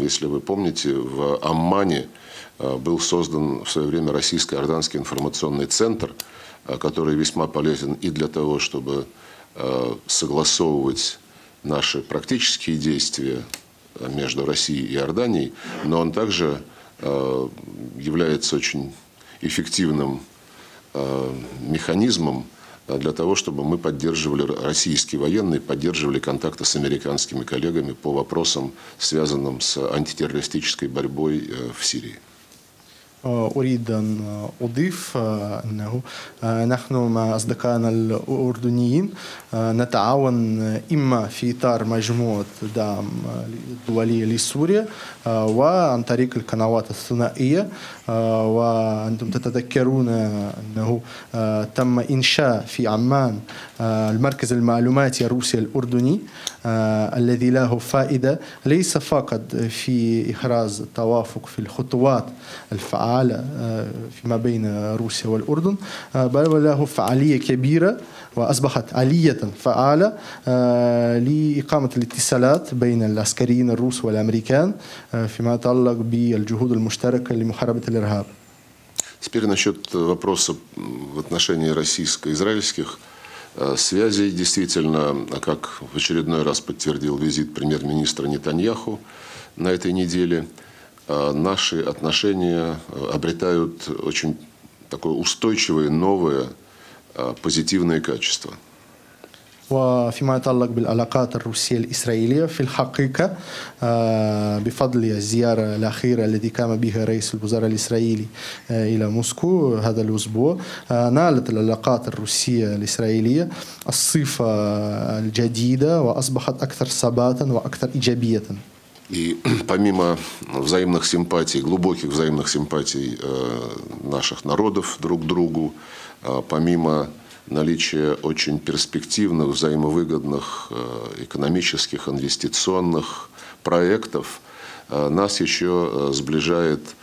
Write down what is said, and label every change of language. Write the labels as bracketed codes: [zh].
[ru] Если вы помните, в Аммане был создан в свое время российско-иорданский информационный центр, который весьма полезен и для того, чтобы согласовывать наши практические действия между Россией и Иорданией, но он также является очень эффективным механизмом для того, чтобы мы поддерживали российские военные, поддерживали контакты с американскими коллегами по вопросам, связанным с антитеррористической борьбой в Сирии. [ar] أريد أن أضيف أنه نحن مع أصدقائنا الأردنيين نتعاون إما في إطار مجموعة دعم دولية لسوريا وعن طريق القنوات الثنائية، وأنتم تتذكرون أنه تم إنشاء في عمان المركز المعلوماتي الروسي الأردني الذي له فائدة ليس فقط في إخراج التوافق في الخطوات الفعالة فيما بين روسيا والأردن، بل له فعالية كبيرة وأصبحت آلية فعالة لإقامة الاتصالات بين العسكريين الروس والأمريكان فيما يتعلق بالجهود المشتركة لمحاربة الإرهاب. [ru] Теперь насчет вопроса в отношении российско-израильских связей. Действительно, как в очередной раз подтвердил визит премьер-министра Нетаньяху на этой неделе, наши отношения обретают очень такое устойчивое, новое, позитивное качество. [ar] وفيما يتعلق بالعلاقات الروسية الإسرائيلية في الحقيقة بفضل الزيارة الأخيرة التي قام بها رئيس الوزراء الإسرائيلي إلى موسكو هذا الأسبوع نالت العلاقات الروسية الإسرائيلية الصفة الجديدة وأصبحت أكثر ثباتا وأكثر إيجابية. [ru] И помимо взаимных симпатий, глубоких взаимных симпатий наших народов друг к другу, помимо наличие очень перспективных, взаимовыгодных экономических, инвестиционных проектов, нас еще сближает